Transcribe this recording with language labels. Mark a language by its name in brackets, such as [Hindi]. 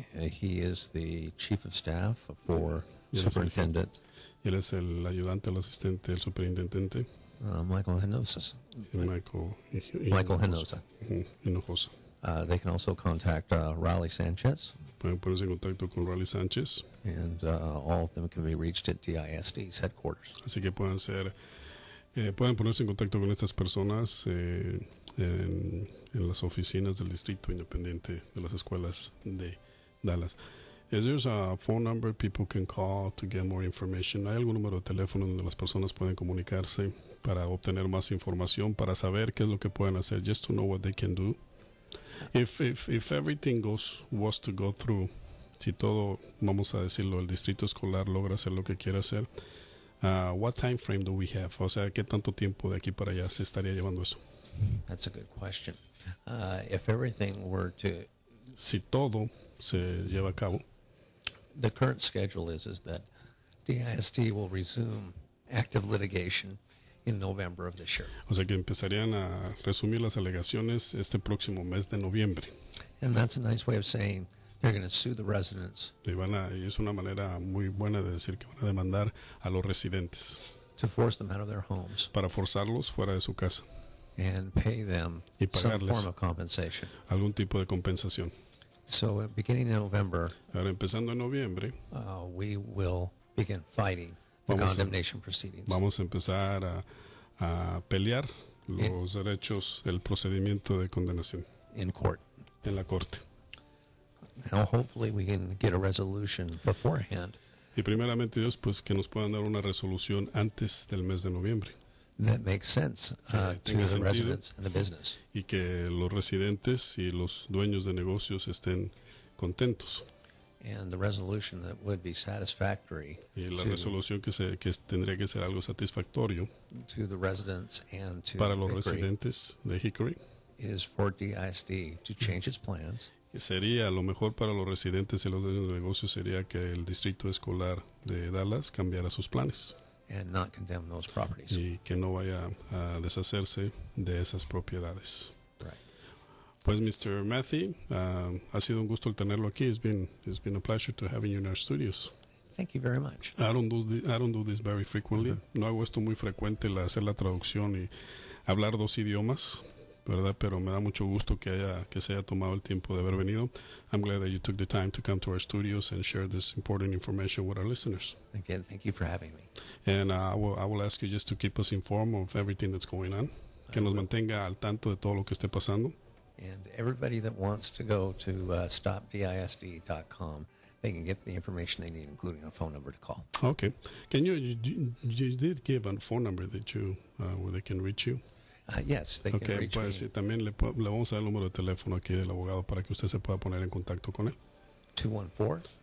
[English] He is the chief of staff for superintendent. [Spanish] Él es el ayudante, el asistente, el superintendente. Michael Hinojosa. Michael Hinojosa. Hinojosa. [English] They can also contact Raleigh Sanchez. [Spanish] Pueden ponerse en contacto con Raleigh Sanchez. [English] And all of them can be reached at DISD's headquarters. [Spanish] Así que pueden ser, pueden ponerse en contacto con estas personas en las oficinas del Distrito Independiente de las Escuelas de Dallas. [English] Is there a phone number people can call to get more information? [Spanish] ¿Hay algún número de teléfono donde las personas pueden comunicarse para obtener más información, para saber qué es lo que pueden hacer? [English] Just to know what they can do. If everything goes was to go through, [Spanish] si todo, vamos a decirlo, el distrito escolar logra hacer lo que quiere hacer, [English] what time frame do we have? [Spanish] O sea, ¿qué tanto tiempo de aquí para allá se estaría llevando eso? [English] That's a good question. If everything were to... [Spanish] Si todo se lleva a cabo. [English] The current schedule is that DISD will resume active litigation in November of this year. [Spanish] O sea que empezarían a resumir las alegaciones este próximo mes de noviembre. [English] And that's a nice way of saying they're going to sue the residents. [Spanish] Y es una manera muy buena de decir que van a demandar a los residentes. [English] To force them out of their homes. [Spanish] Para forzarlos fuera de su casa. [English] And pay them some form of compensation. [Spanish] Algún tipo de compensación. [English] So beginning in November, [Spanish] ahora empezando en noviembre, [English] we will begin fighting the condemnation proceedings. [Spanish] Vamos a empezar a pelear los derechos, el procedimiento de condenación. [English] In court. [Spanish] En la corte. [English] Now hopefully we can get a resolution beforehand. [Spanish] Y primeramente Dios, pues que nos puedan dar una resolución antes del mes de noviembre. [English] That makes sense to the residents and the business. [Spanish] Y que los residentes y los dueños de negocios estén contentos. [English] And the resolution that would be satisfactory. [Spanish] Y la resolución que tendría que ser algo satisfactorio. [English] To the residents and to [Spanish] para los residentes de Hickory. [English] Is for DISD to change its plans. [Spanish] Sería lo mejor para los residentes y los dueños de negocios sería que el distrito escolar de Dallas cambiara sus planes. [English] And not condemn those properties. [Spanish] Y que no vaya a deshacerse de esas propiedades. [English] Right. [Spanish] Pues, Mr. Matthew, ha sido un gusto el tenerlo aquí. [English] It's been a pleasure to have you in our studios. Thank you very much. I don't do this very frequently. [Spanish] Uh-huh. No hago esto muy frecuente, hacer la traducción y hablar dos idiomas, ¿verdad? Pero me da mucho gusto que se haya tomado el tiempo de haber venido. [English] I'm glad that you took the time to come to our studios and share this important information with our listeners. Again, thank you for having me. And I will ask you just to keep us informed of everything that's going on. [Spanish] Que nos mantenga al tanto de todo lo que esté pasando. [English] And everybody that wants to go to stopdisd.com, they can get the information they need, including a phone number to call. Okay. You did give a phone number that you where they can reach you. Yes, they can reach me. [Spanish] Okay, pues también le vamos a dar el número de teléfono aquí del abogado para que usted se pueda poner en contacto con él.